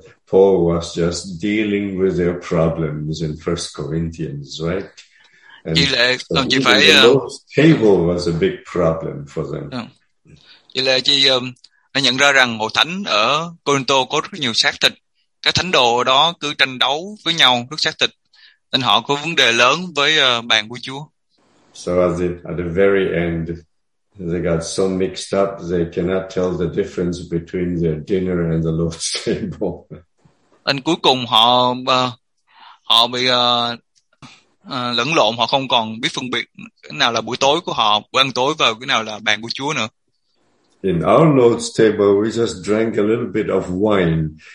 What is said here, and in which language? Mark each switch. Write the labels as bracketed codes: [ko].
[en] Paul was just dealing with their problems in 1 Corinthians, right? [vi] And chị Lệ, so chị phải, [en] the Lord's table was a big problem for them. [vi] Chị Lệ, chị nhận ra rằng hội thánh ở Corinto có rất nhiều xác thịt. Các thánh đồ đó cứ tranh đấu với nhau rất xác thịt nên họ có vấn đề lớn với bàn của Chúa. [en] So at the very end they got so mixed up they cannot tell the difference between their dinner and the Lord's table. [vi] Nên cuối cùng họ bị lẫn lộn, họ không còn biết phân biệt cái nào là buổi tối của họ, bữa ăn tối và cái nào là bàn của Chúa nữa. [en] In our Lord's table we just drank a little bit of wine.